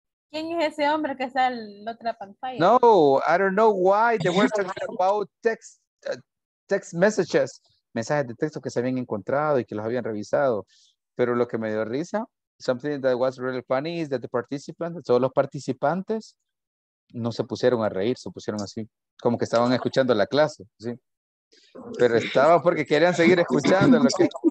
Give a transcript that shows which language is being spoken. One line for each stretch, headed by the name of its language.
Spanish: ¿Quién es ese hombre que está en la otra pantalla?
English: No, I don't know why they were talking about text messages.
Spanish: Mensajes de texto que se habían encontrado y que los habían revisado. Pero lo que me dio risa,
English: something that was really funny is that the participants,
Spanish: todos los participantes no se pusieron a reír, se pusieron así, como que estaban escuchando la clase, ¿sí? Pero estaba porque querían seguir escuchando lo que...